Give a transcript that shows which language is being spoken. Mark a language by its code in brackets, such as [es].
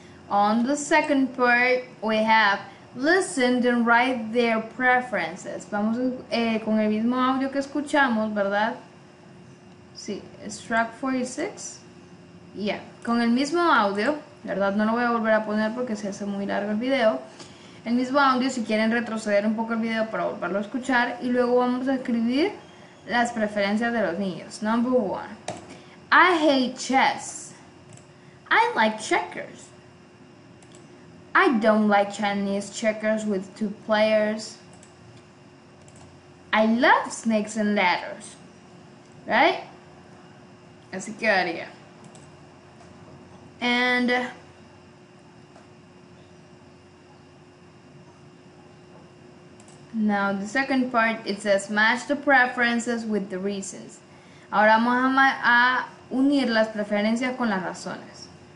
[en] On the second part, we have listen and write their preferences. [es] Vamos con el mismo audio que escuchamos, ¿verdad? Sí, [en] it's track 46. Yeah, [es] con el mismo audio, ¿verdad? No lo voy a volver a poner porque se hace muy largo el video. El mismo audio, si quieren retroceder un poco el video para volverlo a escuchar. Y luego vamos a escribir las preferencias de los niños. [en] Number one. I hate chess. I like checkers. I don't like Chinese checkers with two players. I love snakes and ladders. Right? [es] Así quedaría. [en] And now the second part, it says match the preferences with the reasons. [es] Ahora vamos a unir las preferencias con las razones.